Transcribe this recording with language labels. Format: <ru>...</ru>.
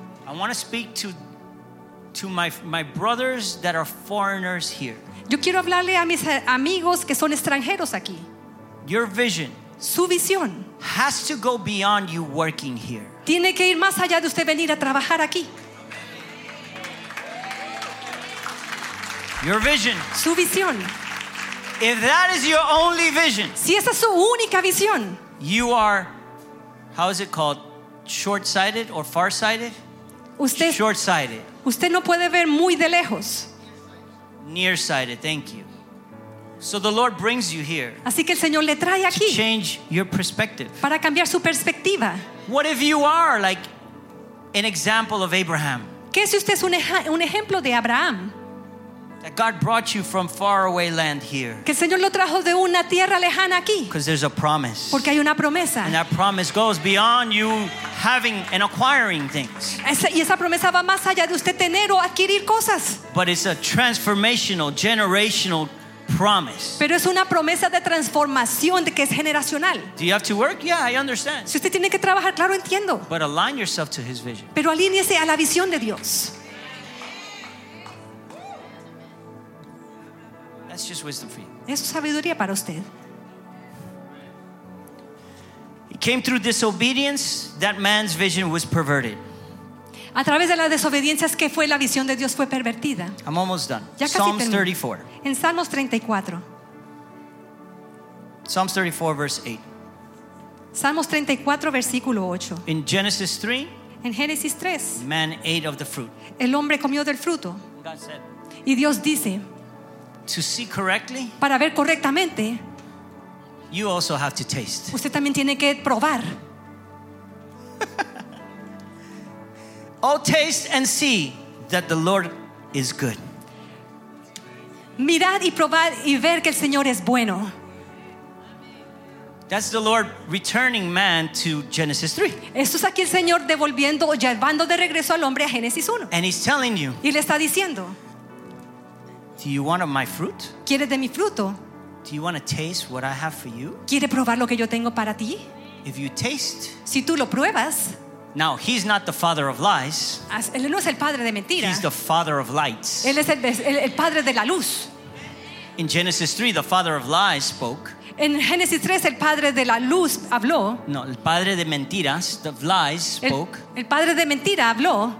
<en>I want to speak to my brothers that are foreigners here.</en> <es>Yo quiero hablarle a mis amigos que son extranjeros aquí.</es> <en>Your vision.</en> <es>Su visión.</es> <en>Has to go beyond you working here.</en> <es>Tiene que ir más allá de usted venir a trabajar aquí.</es> <en>Your vision.</en> <es>Su visión.</es> <en>If that is your only vision,</en> <es>si esa es su única visión,</es> <en>you are, how is it called, short-sighted or far-sighted?</en> <es>Usted,</es> <en>short-sighted.</en> <es>Usted no puede ver muy de lejos.</es> <en>Near-sighted, thank you. So the Lord brings you here.</en> <es>Así que el Señor le trae aquí.</es> <en>To change your perspective.</en> <es>Para cambiar su perspectiva.</es> <en>What if you are like an example of Abraham?</en> <es>¿Qué si usted es un ejemplo de Abraham?</es> <en>That God brought you from far away land here.</en> <es>Que el Señor lo trajo de una tierra lejana aquí.</es> <en>Because there's a promise.</en> <es>Porque hay una promesa.</es> <en>And that promise goes beyond you having and acquiring things.</en> <es>Y esa promesa va más allá de usted tener o adquirir cosas.</es> <en>But it's a transformational, generational promise.</en> <es>Pero es una promesa de transformación, de que es generacional.</es> <en>Do you have to work? Yeah, I understand.</en> <es>Si usted tiene que trabajar, claro, entiendo.</es> <en>But align yourself to His vision.</en> <es>Pero alíñese a la visión de Dios.</es> <en>That's just wisdom for you.</en> <es>Eso es sabiduría para usted.</es> <en>He came through disobedience, that man's vision was perverted.</en> <es>A través de la desobediencia es que fue la visión de Dios fue pervertida.</es> <en>I'm almost done.</en> <es>Ya casi</es> <en>Psalms</en> <es>termino.</es> <en>34.</en> <es>En Salmos 34.</es> <en>Psalms 34 verse 8.</en> <es>Salmos 34 versículo 8.</es> <en>In Genesis 3.</en> <es>En Génesis 3.</es> <en>Man ate of the fruit.</en> <es>El hombre comió del fruto.</es> <en>God said.</en> <es>Y Dios dice.</es> <en>To see correctly,</en> <es>para ver correctamente,</es> <en>you also have to taste.</en> <es>Usted también tiene que probar.</es> <en>Oh, taste and see that the Lord is good.</en> <es>Mirad y probad y ver que el Señor es bueno.</es> <en>That's the Lord returning man to Genesis 3.</en> <es>Esto es aquí el Señor devolviendo o llevando de regreso al hombre a Génesis 1.</es> <en>And He's telling you.</en> <es>Y le está diciendo.</es> <en>Do you want of my fruit?</en> <es>¿Quieres de mi fruto?</es> <en>Do you want to taste what I have for you?</en> <es>¿Quieres probar lo que yo tengo para ti?</es> <en>If you taste,</en> <es>si tú lo pruebas.</es> <en>Now he's not the father of lies.</en> <es>Él no es el padre de mentiras.</es> <en>He's the father of lights.</en> <es>Él es el padre de la luz.</es> <en>In Genesis 3, the father of lies spoke.</en> <es>En Génesis 3 el padre de la luz habló. No, el padre de mentiras,</es> <en>the lies spoke.</en> <es>El padre de mentira habló.</es>